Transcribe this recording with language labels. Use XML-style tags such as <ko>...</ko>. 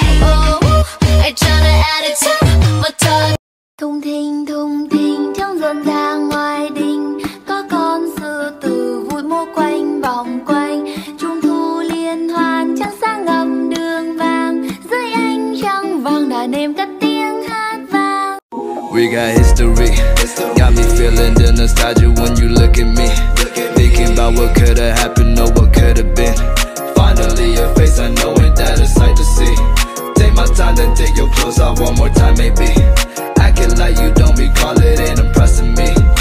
<en>Oh, I try to add it to my tongue.</en> <vi>Thùng thình, thùng thình, trong dân ra ngoài đình. Có con sư tử vui mua quanh vòng quanh. Trung thu liên hoan, trăng sáng ngập đường vàng. Dưới ánh trăng vàng đàn em cất tiếng hát vang.</vi> <en>We got history, got me feeling the nostalgia when you look at me. What could have happened or what could have been? Finally your face, I know it, that a sight to see. Take my time, then take your clothes off one more time, maybe. Acting like you don't recall it ain't impressing me.</en>